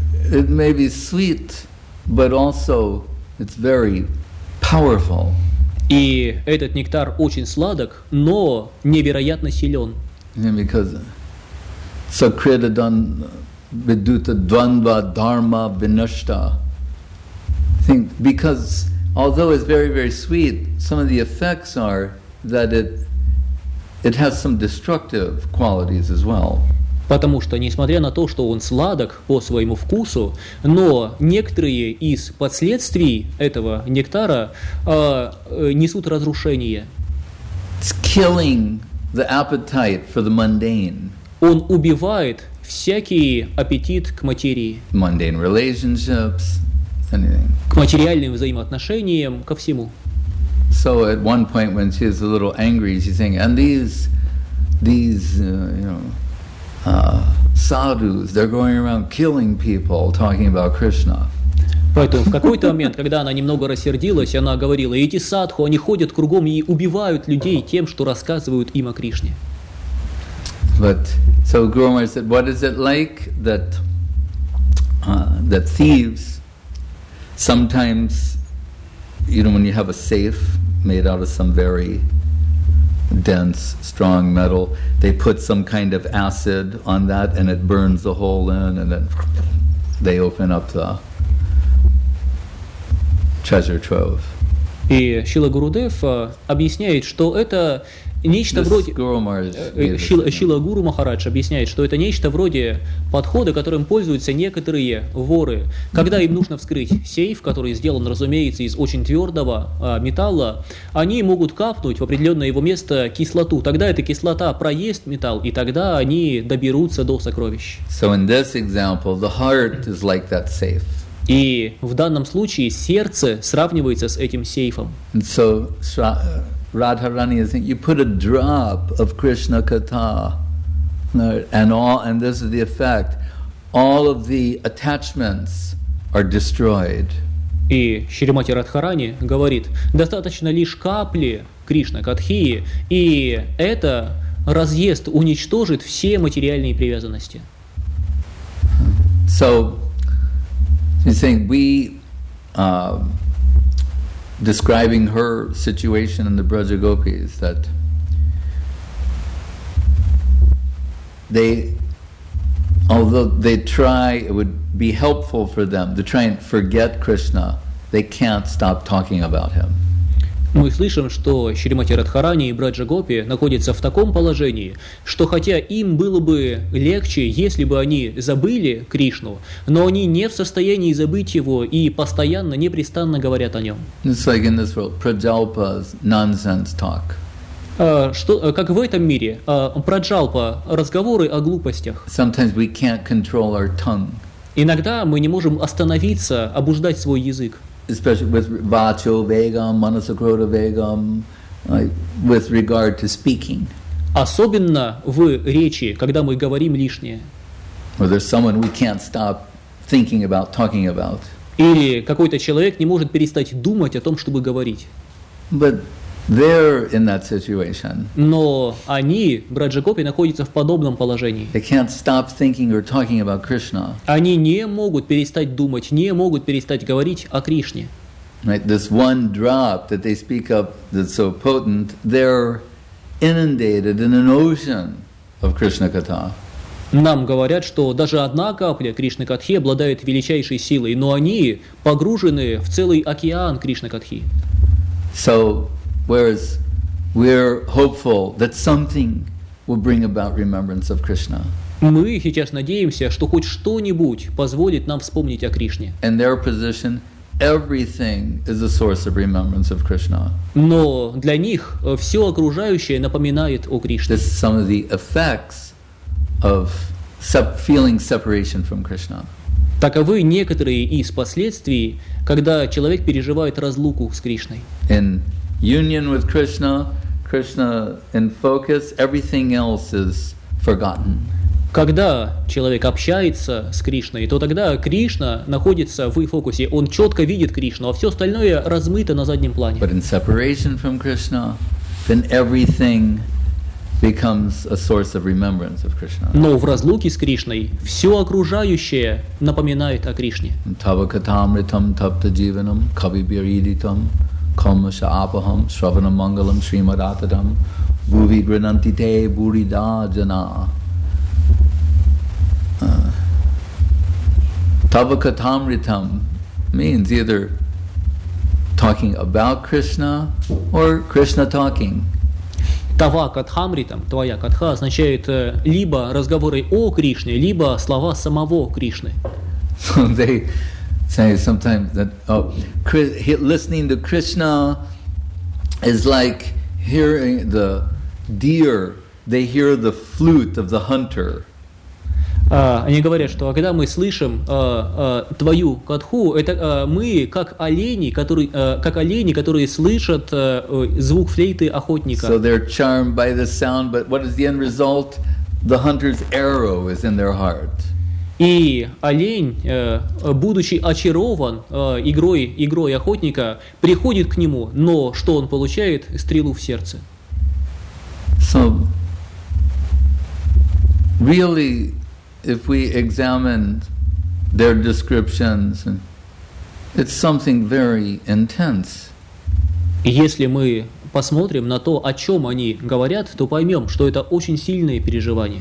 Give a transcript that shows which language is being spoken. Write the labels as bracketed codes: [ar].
[en] It may be sweet, but also it's very powerful. [ru] И этот нектар очень сладок, но невероятно силен. [sa] Yeah, because Sakritadan Viduta Dvandva Dharma Vinashta. [en] I think because although it's very, very sweet, some of the effects are that it has some destructive qualities as well. [ru] Потому что, несмотря на то, что он сладок по своему вкусу, но некоторые из последствий этого нектара несут разрушение. [en] It's killing the appetite for the mundane. [ru] Он убивает всякий аппетит к материи. [en] Mundane relationships, anything. [ru] К материальным взаимоотношениям, ко всему. [en] So at one point when she's a little angry, she's saying, and these sadhus, they're going around killing people, talking about Krishna. [ru] Поэтому в какой-то момент, когда она немного рассердилась, она говорила, эти садху, они ходят кругом и убивают людей тем, что рассказывают им о Кришне. [en] But so Guru Maharaj said, what is it like that that thieves sometimes, you know, when you have a safe made out of some very dense, strong metal, they put some kind of acid on that and it burns the hole in and then they open up the treasure trove. [ru] И Шрила Гурудев объясняет, что это нечто вроде... Шрила Гуру Махарадж объясняет, что это нечто вроде подхода, которым пользуются некоторые воры. Когда им нужно вскрыть сейф, который сделан, разумеется, из очень твердого металла, они могут капнуть в определенное его место кислоту. Тогда эта кислота проест металл, и тогда они доберутся до сокровищ. [en] So in this example, the heart is like that safe. [ru] И в данном случае сердце сравнивается с этим сейфом. [en] And so Radharani is saying, you put a drop of Krishna Katha, and this is the effect, all of the attachments are destroyed. [ru] И Шримати Радхарани говорит, достаточно лишь капли Кришна Катхи, и это разъест, уничтожит все материальные привязанности. [en] So he's saying, we, describing her situation in the Braja Gopis, that they, although they try, it would be helpful for them to try and forget Krishna, they can't stop talking about him. [ru] Мы слышим, что Шримати Радхарани и Браджа Гопи находятся в таком положении, что хотя им было бы легче, если бы они забыли Кришну, но они не в состоянии забыть его и постоянно, непрестанно говорят о нем. [en] It's like in this world, Prajalpa's nonsense talk. [ru] Как в этом мире, Праджалпа, разговоры о глупостях. [en] Sometimes we can't control our tongue. [ru] Иногда мы не можем остановиться, обуждать свой язык. [en] Especially with [sa] vacho vegam, manasakrodha vegam, [en] like with regard to speaking. [ru] Особенно в речи, когда мы говорим лишнее. [en] Or there's someone we can't stop thinking about, talking about. [ru] Или какой-то человек не может перестать думать о том, чтобы говорить. [en] But they're in that situation. [ru] Но они, Браджа Гопи, находятся в подобном положении. [en] They can't stop thinking or talking about Krishna. [ru] Они не могут перестать думать, не могут перестать говорить о Кришне. [en] Right, this one drop that they speak of that's so potent, they're inundated in an ocean of Krishna Katha. [ru] Нам говорят, что даже одна капля Кришны Катхи обладает величайшей силой, но они погружены в целый океан Кришны Катхи. [en] So, whereas we're hopeful that something will bring about remembrance of Krishna. [ru] Мы сейчас надеемся, что хоть что-нибудь позволит нам вспомнить о Кришне. [en] In their position, everything is a source of remembrance of Krishna. [ru] Но для них все окружающее напоминает о Кришне. [en] This is some of the effects of feeling separation from Krishna. [ru] Таковы некоторые из последствий, когда человек переживает разлуку с Кришной. [en] In union with Krishna, Krishna in focus, everything else is forgotten. [ru] Когда человек общается с Кришной, то тогда Кришна находится в фокусе, он четко видит Кришну, а все остальное размыто на заднем плане. [en] But in separation from Krishna, then everything becomes a source of remembrance of Krishna. [ru] Но в разлуке с Кришной все окружающее напоминает о Кришне. [sa] Тавакатамритам таптадживанам кавибиридитам калмаша апахам шраванам мангалам шримадатадам буви гринантите бурида джана. [en] Tavakatamritam means either talking about Krishna or Krishna talking. [ru] Tava katamritam, твоя катха, означает либо разговоры о Кришне, либо слова самого Кришны. [en] So they say sometimes that listening to Krishna is like hearing the deer, they hear the flute of the hunter. [ru] Они говорят, что когда мы слышим твою катху, это мы как олени, которые слышат звук флейты охотника. [en] So they're charmed by the sound, but what is the end result? The hunter's arrow is in their heart. [ru] И олень, будучи очарован игрой охотника, приходит к нему, но что он получает? Стрелу в сердце. [en] So really, if we examine their descriptions, it's something very intense. [ru] Если мы посмотрим на то, о чем они говорят, то поймем, что это очень сильные переживания.